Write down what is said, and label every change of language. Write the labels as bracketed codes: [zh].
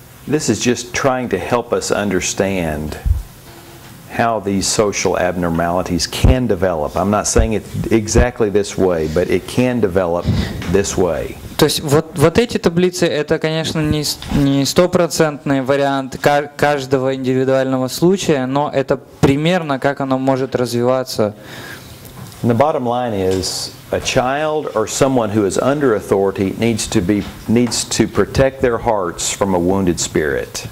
[en] This is just trying to help us understand how these social abnormalities can develop. I'm not saying it exactly this way, but it can develop this way. [ru] То есть вот эти таблицы это, конечно, не стопроцентный вариант каждого индивидуального случая, но это примерно как оно может развиваться. [en] And the bottom line is a child or someone who is under authority needs to protect their hearts from a wounded spirit.